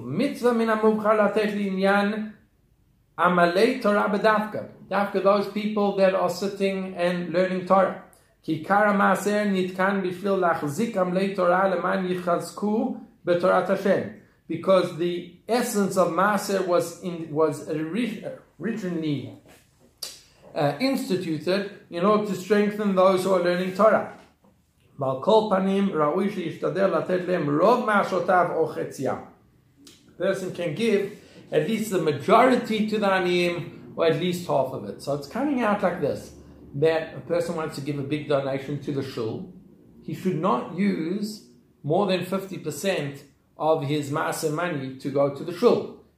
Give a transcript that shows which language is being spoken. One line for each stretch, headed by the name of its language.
Hebrew: Mitzvah Min HaMubchar Latet Linyan Amalei Torah B'davka.
English: Davka, those people that are sitting and learning Torah.
Hebrew: כי קרא מעשר נתקן בשביל להחזיק עמלי תורה למען יחזקו בתורת השם.
English: Because the essence of Maaser was originally instituted in order to strengthen those who are learning Torah.
Hebrew: ועל כל פנים ראוי שישתדר לתת להם רוב מעשותיו או חציה.
English: A person can give at least the majority to the aniyim, or at least half of it. So it's coming out like this, that a person wants to give a big donation to the shul, he should not use more than 50% of his maaser money to go to the shul.